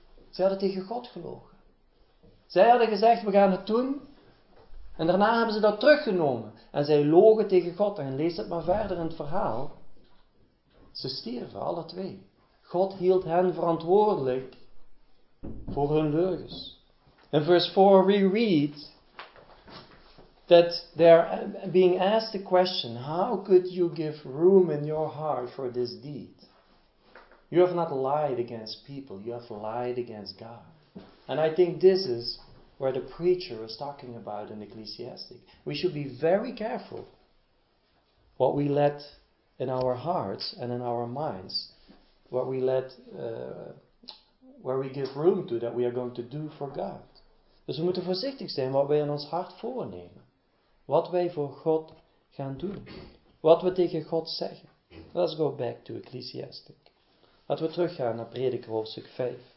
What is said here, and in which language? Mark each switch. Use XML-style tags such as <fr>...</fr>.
<nl>Zij hadden tegen God gelogen. Zij hadden gezegd, we gaan het doen. En daarna hebben ze dat teruggenomen. En zij logen tegen God. En lees het maar verder in het verhaal. Ze stierven, alle twee. God hield hen verantwoordelijk voor hun leugens. In vers 4</nl> <en>we read that they're being asked the question, how could you give room in your heart for this deed? You have not lied against people, you have lied against God. And I think this is where the preacher is talking about in Ecclesiastes. We should be very careful what we let in our hearts and in our minds, what we let, where we give room to, that we are going to do for God.</en> <nl>Dus we moeten voorzichtig zijn wat wij in ons hart voornemen. Wat wij voor God gaan doen. Wat we tegen God zeggen.</nl> <en>Let's go back to Ecclesiastes.</en> <nl>Laten we teruggaan naar Prediker hoofdstuk 5.</nl>